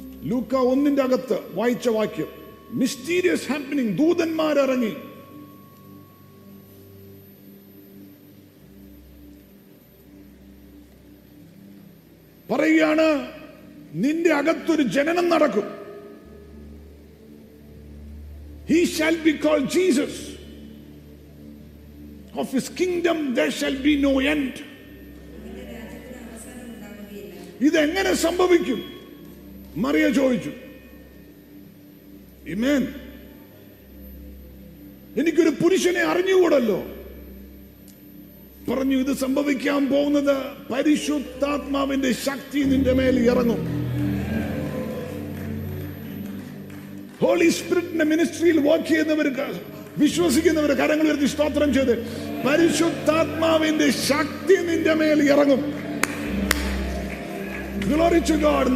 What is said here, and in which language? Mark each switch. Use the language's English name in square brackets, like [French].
[Malayalam] ലൂക്ക 1-ന്റെ അകത്ത് വായിച്ച വാക്യം മിസ്റ്റീരിയസ് ഹാപ്പനിങ് ദൂതന്മാർ ഇറങ്ങി പറയുകയാണ് നിന്റെ അകത്തൊരു ജനനം നടക്കും [English] He shall be called Jesus. Of his kingdom there shall be no end. [Malayalam] ഇതെങ്ങനെ സംഭവിക്കും മറിയ ചോദിച്ചു Amen. എനിക്കൊരു പുരുഷനെ അറിഞ്ഞുകൂടല്ലോ പറഞ്ഞു ഇത് സംഭവിക്കാൻ പോകുന്നത് പരിശുദ്ധാത്മാവിന്റെ ശക്തി നിന്റെ മേൽ ഇറങ്ങും ഹോളി സ്പിരിറ്റിന്റെ മിനിസ്ട്രിയിൽ വർക്ക് ചെയ്യുന്നവർക്ക് വിശ്വസിക്കുന്നവർ കരങ്ങൾ ഉയർത്തി സ്തോത്രം ചെയ്ത് പരിശുദ്ധാത്മാവിന്റെ ശക്തി നിന്റെ മേൽ ഇറങ്ങും [English] Glory to God.